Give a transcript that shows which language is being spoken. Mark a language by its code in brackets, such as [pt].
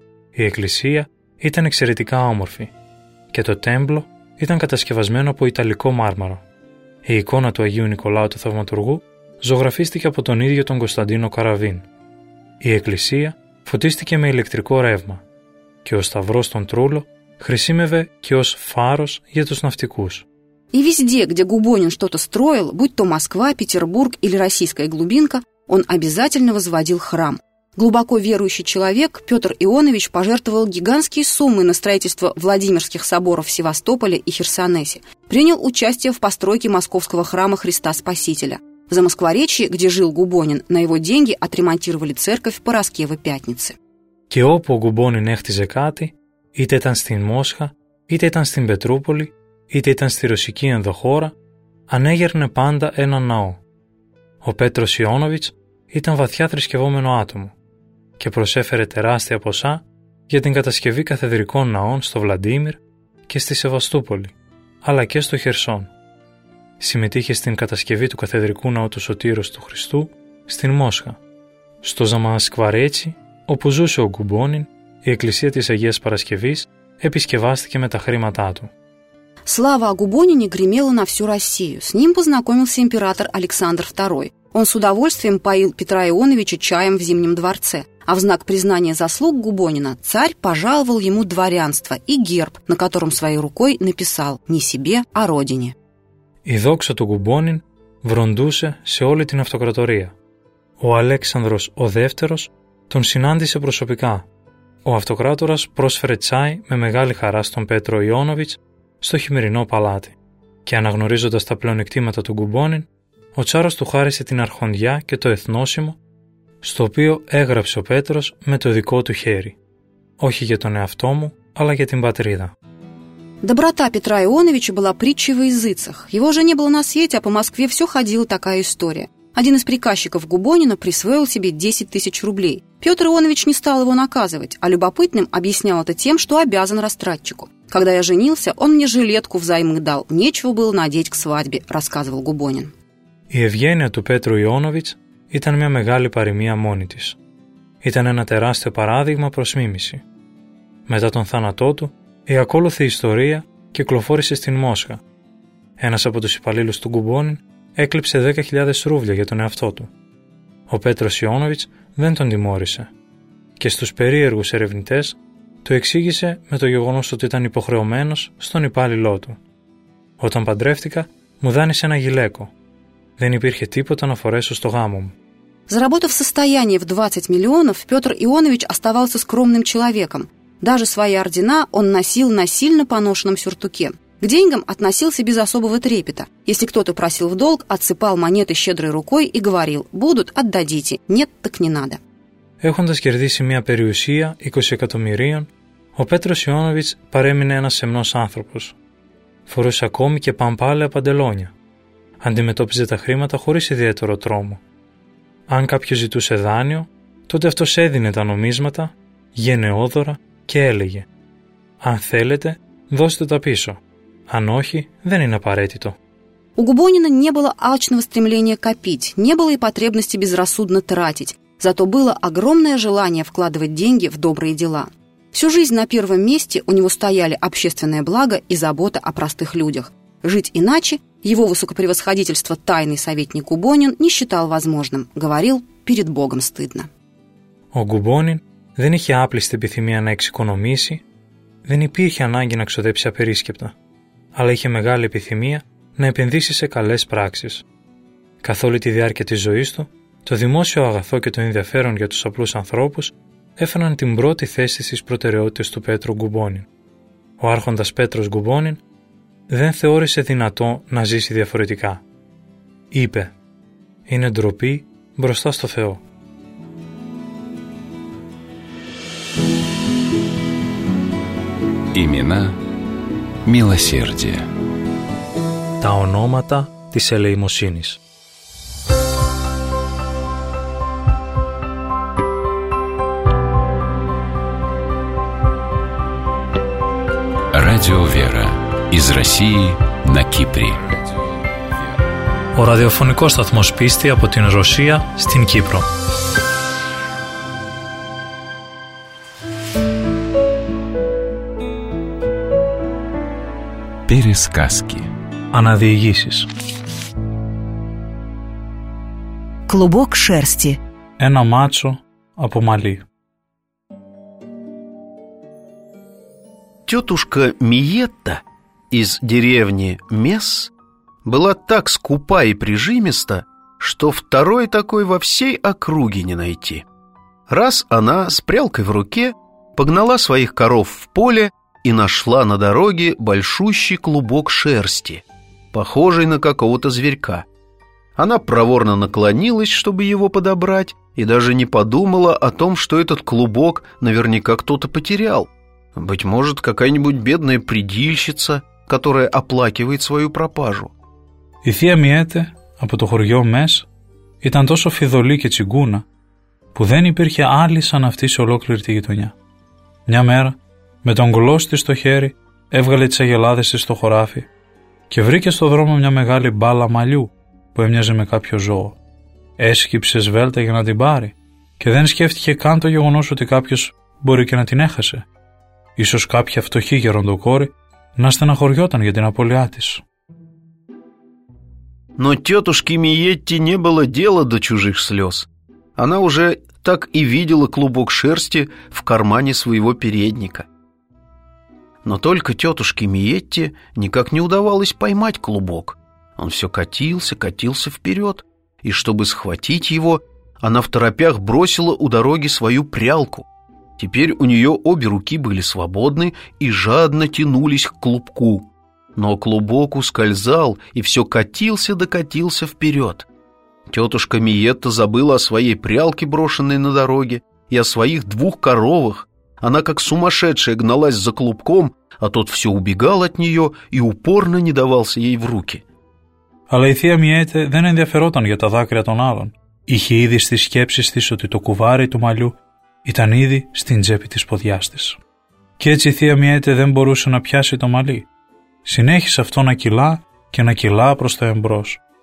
[el] Η εκκλησία ήταν εξαιρετικά όμορφη και το τέμπλο ήταν κατασκευασμένο από ιταλικό μάρμαρο. Η εικόνα του Αγίου Νικολάου του Θαυματουργού ζωγραφίστηκε από τον ίδιο τον Κωνσταντίνο Καραβίν. Η εκκλησία φωτίστηκε με ηλεκτρικό ρεύμα και ο Σταυρός στον Τρούλο χρησίμευε και ως φάρος για τους ναυτικούς. [ru] И везде, где Губонин что-то строил, будь то Москва, Петербург или российская глубинка, он обязательно возводил храм. Глубоко верующий человек Петр Ионович пожертвовал гигантские суммы на строительство Владимирских соборов в Севастополе и Херсонесе. Принял участие в постройке Московского храма Христа Спасителя. В Замоскворечье, где жил Губонин, на его деньги отремонтировали церковь Параскевы Пятницы. [el] Και όπου ο Γκουμπόνιν έχτιζε κάτι, είτε ήταν στην Μόσχα, είτε ήταν στην Πετρούπολη, είτε ήταν στη ρωσική ενδοχώρα, ανέγερνε πάντα ένα ναό. Ο Πέτρος Ιόνοβιτς ήταν βαθιά θρησκευόμενο άτομο και προσέφερε τεράστια ποσά για την κατασκευή καθεδρικών ναών στο Βλαντίμιρ και στη Σεβαστούπολη, αλλά και στο Χερσόν. Συμμετείχε στην κατασκευή του καθεδρικού ναού του Σωτήρος του Χριστού στην Μόσχα. Στο Ζαμασκβαρέτσι, όπου ζούσε ο Γκουμπόνιν, η εκκλησία της Αγίας Παρασκευής επισκευάστηκε με τα χρήματά του. [ru] Слава о Губонине гремела на всю Россию. С ним познакомился император Александр II. Он с удовольствием поил Петра Ионовича чаем в Зимнем дворце. А в знак признания заслуг Губонина царь пожаловал ему дворянство и герб, на котором своей рукой написал «Не себе, а родине». И докса του Губонин врундуся се оле την автократория. [el] Ο Αλέξανδρος ο Δεύτερος τον συνάντησε προσωπικά. Ο αυτοκράτορας πρόσφερε τσάι με μεγάλη χαρά στον Πέτρο Ιόνοβιτς στο χειμερινό παλάτι και αναγνωρίζοντας τα πλεονεκτήματα του Γκουμπόνιν, ο τσάρος του χάρισε την αρχοντιά και το εθνόσημο, στο οποίο έγραψε ο Πέτρος με το δικό του χέρι. Όχι για τον εαυτό μου, αλλά για την πατρίδα. [ru] Доброта Петра Ионовича была притчей во языцах. Его уже не было на свете, а по Москве все ходила такая история. Один из приказчиков Губонина присвоил себе 10 тысяч рублей. Петр Ионович не стал его наказывать, а любопытным объяснял это тем, что обязан растратчику. «Когда я женился, он мне жилетку взаймы дал. Нечего было надеть к свадьбе», – рассказывал Губонин. [el] Η ευγένεια του Πέτρου Ιόνοβιτς ήταν μια μεγάλη παροιμία μόνη της. Ήταν ένα τεράστιο παράδειγμα προς μίμηση. Μετά τον θάνατό του, η ακόλουθη ιστορία κυκλοφόρησε στην Μόσχα. Ένας από τους υπαλλήλους του Γκουμπόνιν έκλειψε 10.000 ρούβλια για τον εαυτό του. Ο Πέτρος Ιόνοβιτς δεν τον τιμώρησε και στους περίεργους ερευνητές το εξήγησε με το γεγονός ότι ήταν υποχρεωμένος στον υπάλληλό του. «Όταν παντρεύτηκα, μου δάνεισε ένα γυλαίκο. Δεν υπήρχε τίποτα να φορέσω στο γάμο μου». [ru] Заработав состояние в 20 миллионов, Петр Ионович оставался скромным человеком. Даже свои ордена он носил на сильно поношенном сюртуке. К деньгам относился без особого трепета. Если кто-то просил в долг, отсыпал монеты щедрой рукой и говорил «Будут, отдадите, нет, так не надо». [el] Έχοντας κερδίσει μια περιουσία 20 εκατομμυρίων, ο Πέτρος Ιόνοβιτς παρέμεινε ένας σεμνός άνθρωπος. Φορούσε ακόμη και παμπάλαια παντελόνια. Αντιμετώπιζε τα χρήματα χωρίς ιδιαίτερο τρόμο. Αν κάποιος ζητούσε δάνειο, τότε αυτός έδινε τα νομίσματα, γενναιόδωρα και έλεγε «Αν θέλετε, δώστε τα πίσω. Αν όχι, δεν είναι απαραίτητο». [ru] У Губонина не было алчного стремления копить, не было и потребности безрассудно тратить. Зато было огромное желание вкладывать деньги в добрые дела. Всю жизнь на первом месте у него стояли общественное благо и забота о простых людях. Жить иначе его высокопревосходительство тайный советник Губонин не считал возможным. Говорил, перед Богом стыдно. [el] Ο Γκουμπόνιν δεν είχε άπλιστη επιθυμία να εξοικονομήσει, δεν υπήρχε ανάγκη να ξοδέψει απερίσκεπτα, αλλά είχε μεγάλη επιθυμία να επενδύσει σε καλές πράξεις. Καθ' όλη τη διάρκεια της ζωής του, Το δημόσιο αγαθό και το ενδιαφέρον για τους απλούς ανθρώπους έφεραν την πρώτη θέση στις προτεραιότητες του Πέτρου Γκουμπόνιν. Ο άρχοντας Πέτρος Γκουμπόνιν δεν θεώρησε δυνατό να ζήσει διαφορετικά. Είπε: «Είναι ντροπή μπροστά στο Θεό». [ru] Имена милосердия. [el] Τα ονόματα της ελεημοσύνης. [ru] Радио Вера из России на Кипре. [el] Ο ραδιοφωνικός σταθμός πίστη από την Ρωσία στην Κύπρο. [ru] Пересказки. [el] Αναδιηγήσεις. [ru] Клубок шерсти. [el] Ένα μάτσο από μαλλί. [ru] Тетушка Миетта из деревни Мес была так скупа и прижимиста, что второй такой во всей округе не найти. Раз она с прялкой в руке погнала своих коров в поле и нашла на дороге большущий клубок шерсти, похожий на какого-то зверька. Она проворно наклонилась, чтобы его подобрать, и даже не подумала о том, что этот клубок наверняка кто-то потерял. Быть может, какая-нибудь бедная предильщица, которая оплакивает свою пропажу. [el] Η θεία Μιέτε από το χωριό Μες ήταν τόσο φιδωλή και τσιγκούνα που δεν υπήρχε άλλη σαν αυτή σε ολόκληρη τη γειτονιά. Μια μέρα, με τον γλώσσι στο χέρι, έβγαλε τις αγελάδες της στο χωράφι και βρήκε στο δρόμο μια μεγάλη μπάλα μαλλιού που έμοιαζε με κάποιο ζώο. Έσκυψε σβέλτα για να την πάρει και δεν σκέφτηκε καν το γεγονός ότι κάποιος μπορεί και να την έχασε. Ίσως κάποια φτωχή γεροντοκόρη να στεναχωριόταν για την απώλειά της. [ru] Но тетушке Миетте не было дела до чужих слез. Она уже так и видела клубок шерсти в кармане своего передника. Но только тетушке Миетте никак не удавалось поймать клубок. Он все катился, катился вперед. И чтобы схватить его, она в торопях бросила у дороги свою прялку. Теперь у нее обе руки были свободны и жадно тянулись к клубку. Но клубок ускользал и все катился да катился вперед. Тетушка Миетта забыла о своей прялке, брошенной на дороге, и о своих двух коровах. Она как сумасшедшая гналась за клубком, а тот все убегал от нее и упорно не давался ей в руки. [el] Αλλά η θεία Μιέτε δεν ενδιαφερόταν για τα δάκρυα των άλλων. Είχε ήδη στις σκέψεις της ότι το κουβάρι του μαλλιού ήταν ήδη στην τσέπη της ποδιάς της. Και έτσι η θεία Μιέτε δεν μπορούσε να πιάσει το μαλλί. Συνέχισε αυτό να κυλά και να κυλά προς το εμπρός.